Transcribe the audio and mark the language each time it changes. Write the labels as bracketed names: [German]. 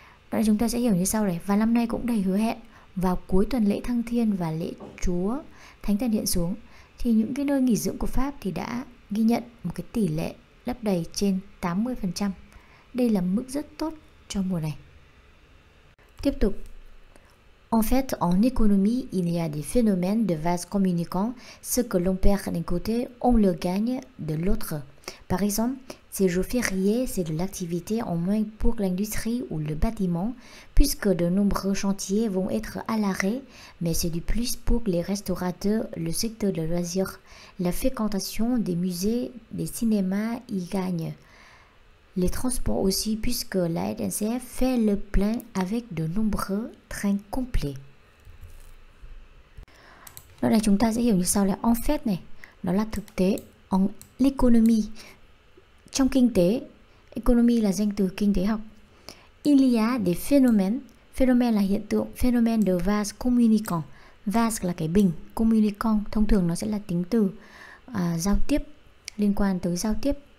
[Vietnamese] Đó chúng ta sẽ hiểu như sau này. Và năm nay cũng đầy hứa hẹn, vào cuối tuần lễ thăng thiên và lễ Chúa Thánh thần hiện xuống, thì những cái nơi nghỉ dưỡng của Pháp thì đã ghi nhận một cái tỷ lệ lấp đầy trên 80%. Đây là mức rất tốt cho mùa này. Tiếp tục. [French] En fait, en économie, il y a des phénomènes de vase communicant. Ce que l'on perd d'un côté, on le gagne de l'autre. Par exemple, ces jours fériés, c'est de l'activité en moins pour l'industrie ou le bâtiment, puisque de nombreux chantiers vont être à l'arrêt, mais c'est du plus pour les restaurateurs, le secteur de loisirs. La fréquentation des musées, des cinémas y gagne. Les transports aussi, puisque la SNCF fait le plein avec de nombreux trains complets. [Vietnamese] Đó là chúng ta sẽ hiểu như sau là [French] en fait [Vietnamese] này, đó là thực tế, [French] en l'économie, [Vietnamese] trong kinh tế, économie là danh từ kinh tế học. [French] Il y a des phénomènes, [Vietnamese] phénomène là hiện tượng, [French] phénomène de vase communicant, [Vietnamese] vase là cái bình, communicant, thông thường nó sẽ là tính từ giao tiếp, liên quan tới giao tiếp.